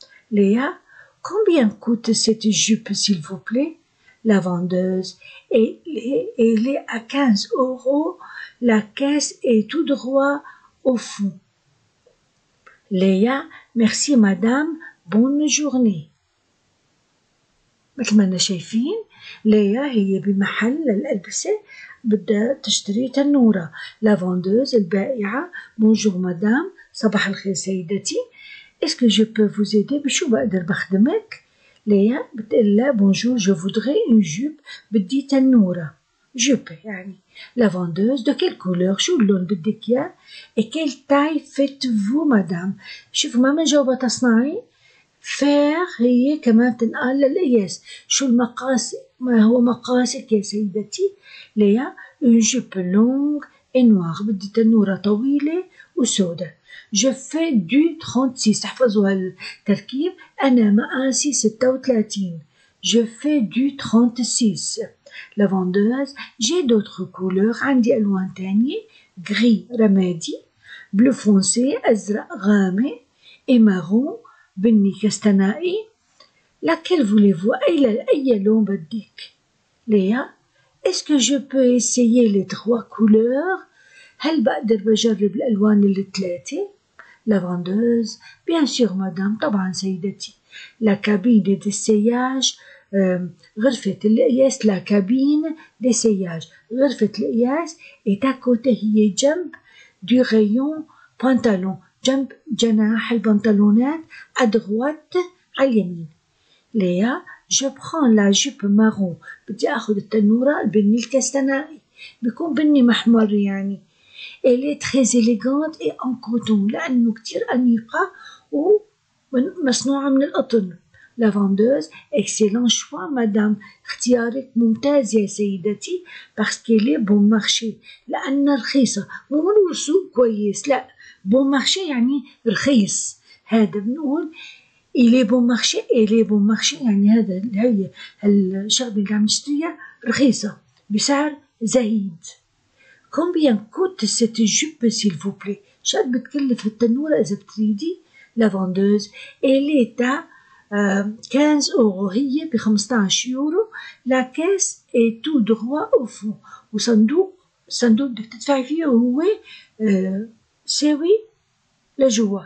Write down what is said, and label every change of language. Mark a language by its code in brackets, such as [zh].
[fr] Léa, combien coûte cette jupe, s'il vous plaît? La vendeuse, elle est à 15 euros, la caisse est tout droit au fond. Léa, merci madame, bonne journée. [ar] مثل ما انا شايفين ليا هي بمحل الألبسة بدها تشتري تنورة. [fr] La vendeuse, البائعة, bonjour madame, [ar] صباح الخير سيدتي. [fr] Est-ce que je peux vous aider? [ar] بشو بقدر بخدمك؟ [fr] Léa, bonjour, je voudrais une jupe, [ar] بدي تنورة. [fr] Jupe, يعني. La vendeuse, de quelle couleur? [ar] شو اللون بدك يا? [fr] Et quelle taille faites-vous, madame? [ar] شوف ماما جاوبة تصنعي. Faire, هي كمان تنقال للإياس. شو المقاس, ما هو مقاسك يا سيدتي? [fr] Léa, une jupe longue et noire, [ar] بدي تنورة طويلة وسودة. [fr] Je fais du 36. [ar] احفظوا هالتركيب. أنا مقاسي 36. [fr] Je fais du 36. La vendeuse. J'ai d'autres couleurs. [ar] عندي ألوان تانية. [fr] Gris رمادي. Bleu foncé. [ar] أزرق غامق. [fr] Et marron. [ar] بني كستنائي. [fr] Laquelle voulez-vous? [ar] أي لون بدك? Léa. [fr] Est-ce que je peux essayer les trois couleurs? [ar] هل بقدر بجرب الألوان الثلاثة؟ [fr] La vendeuse, bien sûr, madame, [ar] طبعا سيدتي. [fr] La cabine d'essayage, [ar] غرفة الإياس, [fr] la cabine d'essayage, غرفة الإياس est à côté, هي جنب du rayon pantalon, [ar] جنب جناح البنطلونات, [fr] à droite, à اليمين. [ar] Léa, [fr] je prends la jupe marron, [ar] بدي أخذ التنورة البني الكستنائي, بيكون بني محمر يعني. [fr] Elle est très élégante et en coton. [ar] لأنه كتير أنيقة ومصنوعة من القطن. [fr] La vendeuse, excellent choix, madame. [ar] اختيارك ممتاز يا سيدتي. [fr] Parce qu'elle est bon marché. [ar] لأنها رخيصة. مو نقول سوق كويس. لا. Bon marché يعني رخيص. هذا بنقول. [fr] Il est bon marché. Elle est bon marché. [ar] يعني هذا الشغلة اللي عم نشتريها رخيصة. بسعر زهيد. [fr] Combien coûte cette jupe, s'il vous plaît? [ar] شاد بتكلف التنورة إذا بتريدي. [fr] La vendeuse. Elle est à 15 euros. [ar] هي ب 15 يورو. [fr] La caisse est tout droit au fond. [ar] وصندوق صندوق بدك تدفعي فيه هو ساوي لجوا.